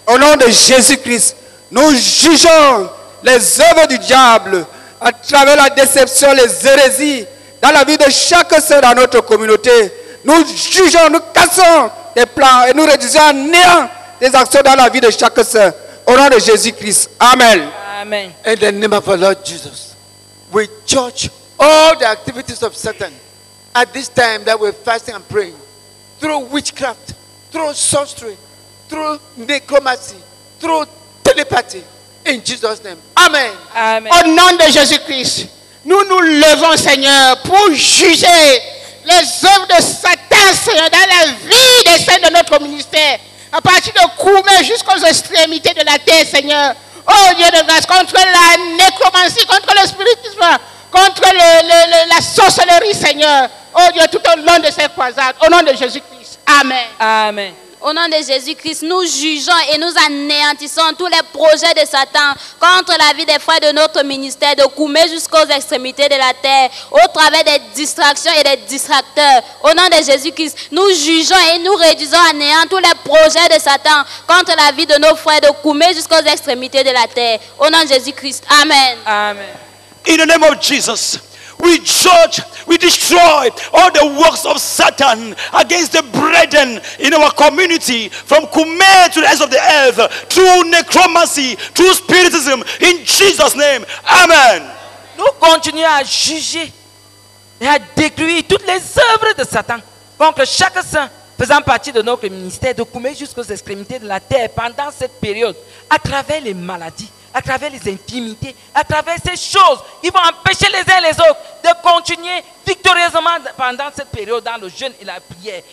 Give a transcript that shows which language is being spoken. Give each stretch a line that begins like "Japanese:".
French: Au nom de Jésus-Christ, nous jugeons les œuvres du diable à travers la déception, les hérésies dans la vie de chaque sœur dans notre communauté. Nous jugeons, nous cassons des plans et nous réduisons à néant des actions dans la vie de chaque sœur. Au nom de Jésus-Christ. Amen. Amen.
English: In the name of the Lord Jesus, we judge all the activities of Satan at this time that we're fasting and praying, through witchcraft, through sorcery, through necromancy, through telepathy. In Jesus' name. Amen. Amen.
French: Au nom de Jésus-Christ, nous nous levons, Seigneur, pour juger les œuvres de Satan, Seigneur, dans la vie des saints de notre ministère, à partir de Koumé jusqu'aux extrémités de la terre, Seigneur. Oh Dieu de grâce, contre la nécromancie, contre le spiritisme, contre la sorcellerie, Seigneur. Oh Dieu, tout au long de ces croisades, au nom de Jésus-Christ. Amen. Amen. Au nom de Jésus-Christ, nous jugeons et nous anéantissons tous les projets de Satan contre la vie des frères de notre ministère, de Koumé jusqu'aux extrémités de la terre, au travers des distractions et des distracteurs. Au nom de Jésus-Christ, nous jugeons et nous réduisons à néant tous les projets de Satan contre la vie de nos frères, de Koumé jusqu'aux extrémités de la terre. Au nom de Jésus-Christ, amen. Amen.
English: In the name of Jesus, we judge, we destroy all the works of Satan against the brethren in our community, from Koumé to the ends of the earth, through necromancy, through spiritism, in Jesus' name. Amen.
French: Nous continuons à juger et à décrire toutes les œuvres de Satan contre chaque saint faisant partie de notre ministère, de Koumé jusqu'aux extrémités de la terre pendant cette période, à travers les maladies, à travers les intimités, à travers ces choses qui vont empêcher les uns les autres de continuer victorieusement pendant cette période dans le jeûne et la prière.